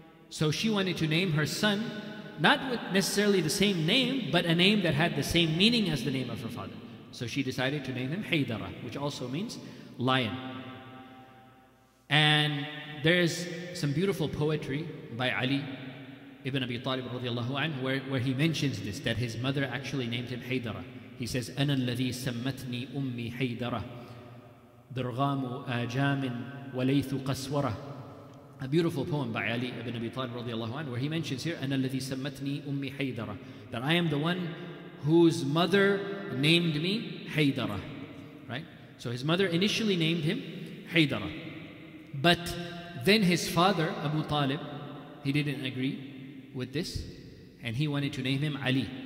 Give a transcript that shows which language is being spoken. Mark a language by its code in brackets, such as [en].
[en] So she wanted to name her son not with necessarily the same name, but a name that had the same meaning as the name of her father. So she decided to name him Haydara, which also means lion. And there's some beautiful poetry by Ali ibn Abi Talib radiallahu anhu where he mentions this, that his mother actually named him Haydara. He says, [ar] أَنَا الَّذِي سَمَّتْنِي أُمِّي حَيْدَرَ دُرْغَامُ آجَامٍ وَلَيْثُ قَسْوَرَ. [en] A beautiful poem by Ali ibn Abi Talib radiallahu anhu, where he mentions here, [ar] أَنَا الَّذِي سَمَّتْنِي أُمِّي حَيْدَرَ, [en] that I am the one whose mother named me Haydara. Right? So his mother initially named him Haydara. But then his father, Abu Talib, he didn't agree with this, and he wanted to name him Ali.